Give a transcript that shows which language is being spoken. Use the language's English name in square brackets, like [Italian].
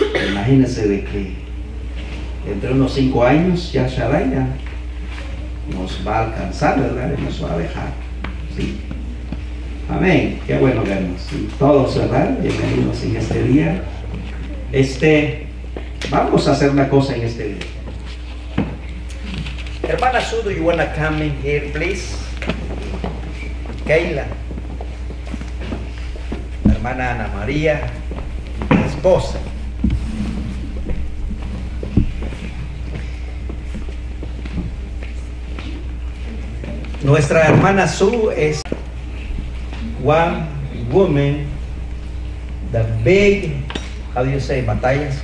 [Spanish] Imagínense de que entre unos 5 años ya Shaddai ya nos va a alcanzar, ¿verdad? Y nos va a dejar. ¿Sí? Amén. Qué bueno vernos. Y todos, ¿verdad? Bienvenidos en este día. Vamos a hacer una cosa en este día. [English] Hermana Sue, do you want to come in here, please? [Spanish] Keila. Hermana Ana María, mi esposa. Nuestra hermana Sue es [English] one woman, the big, how do you say, [Spanish] batallas?